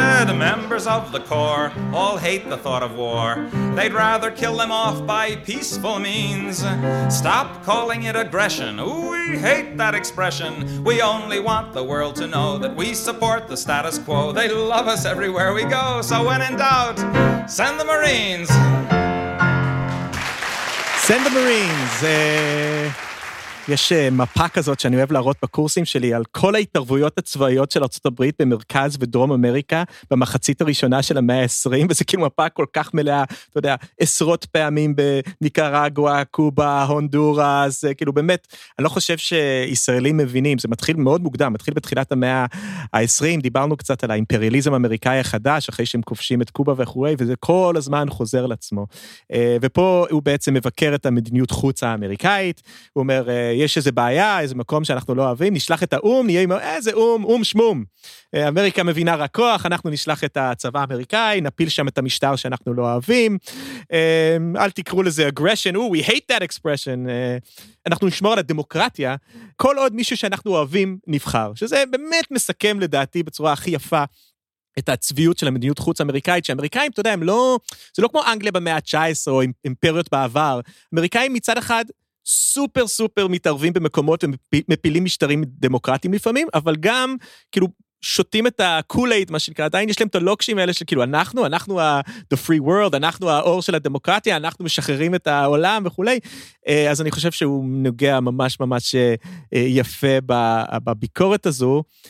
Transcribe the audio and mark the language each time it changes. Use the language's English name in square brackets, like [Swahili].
[English] Members of the Corps all hate the thought of war. They'd rather kill them off by peaceful means. Stop calling it aggression. Ooh, we hate that expression. We only want the world to know that we support the status quo. They love us everywhere we go. So when in doubt, send the Marines. Send the Marines, [Hebrew] יש מפה כזאת שאני אוהב להראות בקורסים שלי על כל ההתערבויות הצבאיות של ארצות הברית במרכז ודרום אמריקה במחצית הראשונה של המאה ה-20, וזה כאילו מפה כל כך מלאה, אתה יודע, עשרות פעמים בניקרגואה, קובה, הונדורס, כאילו באמת, אני לא חושב שישראלים מבינים, זה מתחיל מאוד מוקדם, מתחיל בתחילת המאה ה-20, דיברנו קצת על האימפריאליזם האמריקאי החדש, אחרי שהם כובשים את קובה וכו', וזה כל הזמן חוזר לעצמו. ופה הוא בעצם מבקר את המדיניות חוץ האמריקאית, הוא אומר, יש איזה בעיה, איזה מקום שאנחנו לא אוהבים, נשלח את האום, נהיה עם איזה אום, אום שמום. אמריקה מבינה רק כוח, אנחנו נשלח את הצבא האמריקאי, נפיל שם את המשטר שאנחנו לא אוהבים. אל תקראו לזה [English] aggression, ooh, we hate that expression. [Hebrew] אנחנו נשמור על הדמוקרטיה, כל עוד מישהו שאנחנו אוהבים נבחר. שזה באמת מסכם לדעתי בצורה הכי יפה, את הצביעות של המדיניות חוץ אמריקאית, שאמריקאים, אתה יודע, הם לא, זה לא כמו אנגליה במאה ה-19 או אימפריות בעבר. אמריקאים מצד אחד סופר סופר מתערבים במקומות ומפילים משטרים דמוקרטיים לפעמים, אבל גם כאילו שותים את הקולייד, מה שנקרא, עדיין יש להם את הלוקשים האלה של כאילו אנחנו, אנחנו [English] the free world, [Hebrew] אנחנו האור של הדמוקרטיה, אנחנו משחררים את העולם וכולי, אז אני חושב שהוא נוגע ממש ממש יפה בביקורת הזו.